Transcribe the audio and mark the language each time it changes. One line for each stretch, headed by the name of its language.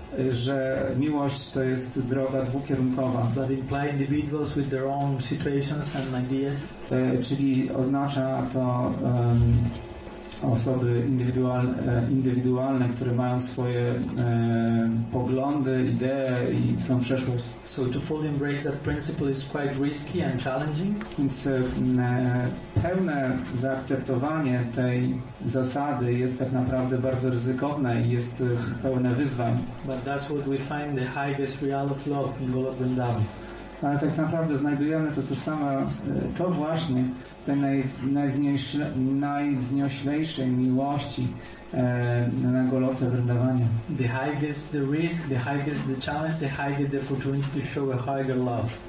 Polish: Że miłość to jest droga dwukierunkowa.
English: That imply individuals with their own situations and ideas.
Polish: Czyli oznacza to osoby indywidualne, które mają swoje poglądy, idee i swoją przeszłość.
English: So to fully embrace that principle is quite risky and challenging.
Polish: Więc pełne zaakceptowanie tej zasady jest tak naprawdę bardzo ryzykowne i jest pełne wyzwań.
English: But that's what we find the highest real of love in Golok Vrindavan.
Polish: Ale tak naprawdę znajdujemy to samo, to właśnie tej najwznioślejszej miłości na Goloce Vrindavanie.
English: The highest the risk, the highest the challenge, the highest the opportunity to show a higher love.